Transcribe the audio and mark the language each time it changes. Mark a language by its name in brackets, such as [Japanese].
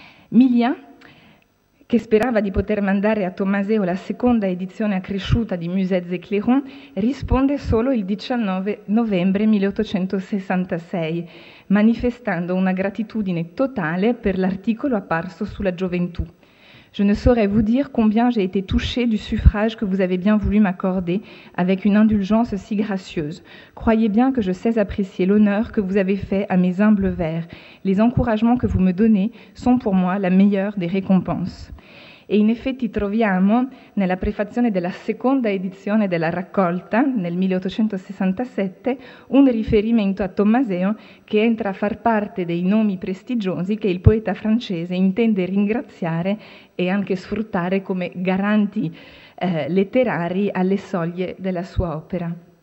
[Italian] Millien, che sperava di poter mandare a Tommaseo la seconda edizione accresciuta di Musette et Clairon, risponde solo il 19 novembre 1866, manifestando una gratitudine totale per l'articolo apparso sulla gioventù. [French] Je ne saurais vous dire combien j'ai été touchée du suffrage que vous avez bien voulu m'accorder avec une indulgence si gracieuse. Croyez bien que je sais apprécier l'honneur que vous avez fait à mes humbles vers. Les encouragements que vous me donnez sont pour moi la meilleure des récompenses. [Italian] E in effetti troviamo nella prefazione della seconda edizione della raccolta, nel 1867, un riferimento a Tommaseo che entra a far parte dei nomi prestigiosi che il poeta francese intende ringraziare e anche sfruttare come garanti letterari alle soglie della sua opera.